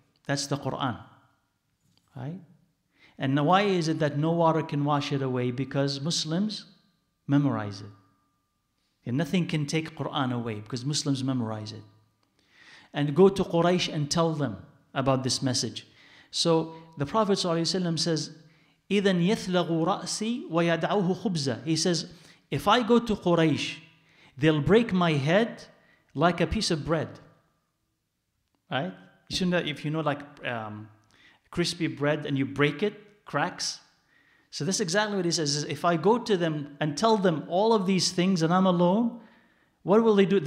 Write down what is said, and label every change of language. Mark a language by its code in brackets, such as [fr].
[en] That's the Quran, right? And why is it that no water can wash it away? Because Muslims memorize it. And nothing can take Quran away because Muslims memorize it. And go to Quraysh and tell them about this message. So the Prophet ﷺ says, [ar] إِذَنْ يَثْلَغُ رَأْسِي وَيَدْعَوْهُ خُبْزًا. [en] He says, if I go to Quraysh, they'll break my head like a piece of bread. Right? You shouldn't know, if you know, like crispy bread and you break it, cracks. So that's exactly what he says. If I go to them and tell them all of these things and I'm alone, what will they do?